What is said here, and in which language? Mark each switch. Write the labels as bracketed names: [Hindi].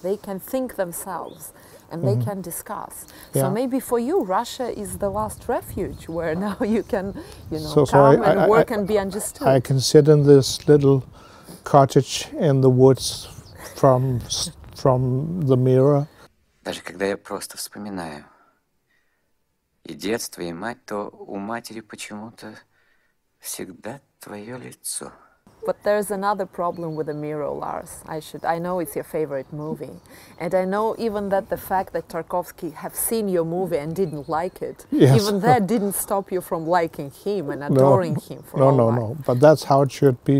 [English] They can think themselves and they, mm-hmm, can discuss. Yeah. So maybe for you, Russia is the last refuge where now you can, you know, come and work and be understood. I can sit in this little cottage in the woods from the mirror. [Russian] Даже когда я просто вспоминаю и детство, и мать, то у матери почему-то всегда твое лицо. [English] But there's another problem with the mirror, Lars. I know it's your favorite movie, and I know even that the fact that Tarkovsky have seen your movie and didn't like it, yes, even that didn't stop you from liking him and adoring him for all. No. But that's how it should be.